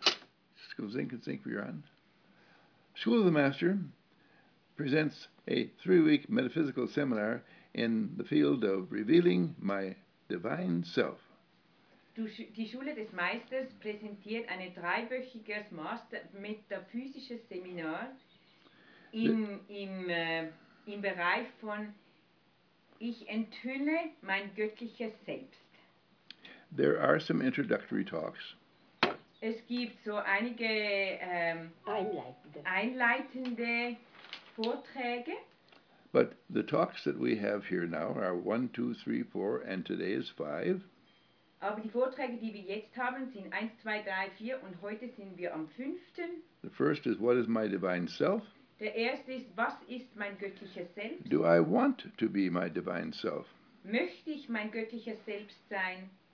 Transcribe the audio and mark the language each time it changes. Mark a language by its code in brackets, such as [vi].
[en] Just go zinc and zinc, we're on. School of the Master presents a 3-week metaphysical seminar in the field of revealing my divine self. [de] Die Schule des Meisters präsentiert ein 3-wöchiges metaphysisches Seminar im Bereich von Ich enthülle mein göttliches Selbst. [en] There are some introductory talks. [de] Es gibt so einige einleitende Vorträge. [en] But the talks that we have here now are 1, 2, 3, 4, and today is 5. [de] Aber die Vorträge, die wir jetzt haben, sind 1, 2, 3, 4 und heute sind wir am 5. [en] The first is, what is my divine self? [de] Der erste ist, was ist mein göttliches Selbst? [en] Do I want to be my divine self? [de] Möchte ich mein göttliches Selbst sein?